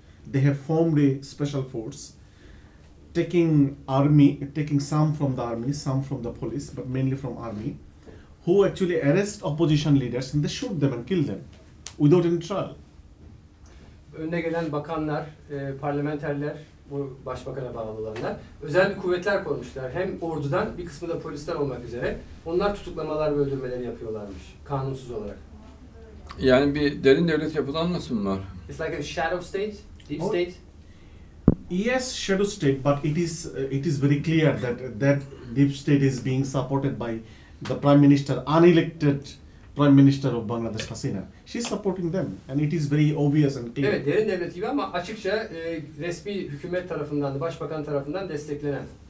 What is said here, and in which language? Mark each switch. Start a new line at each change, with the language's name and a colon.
English: They have formed a special force, taking some from the army, some from the police, but mainly from army, who actually arrest opposition leaders and they shoot them and kill them without any trial.
Turkish: Önüne gelen bakanlar, parlamenterler, bu başbakana bağlı olanlar, özel bir kuvvetler kurmuşlar. Hem ordudan, bir kısmı da polisler olmak üzere. Onlar tutuklamalar ve öldürmeleri yapıyorlarmış, kanunsuz olarak. Yani bir derin devlet yapılanması mı var?
English: It's like a shadow state, deep state. Yes, shadow state, but it is very clear that deep state is being supported by the prime minister, unelected Prime Minister of Bangladesh Hasina. She's supporting them and it is very obvious and clear.
Turkish: Evet, derin devlet gibi ama açıkça resmi hükümet tarafından, başbakan tarafından desteklenen.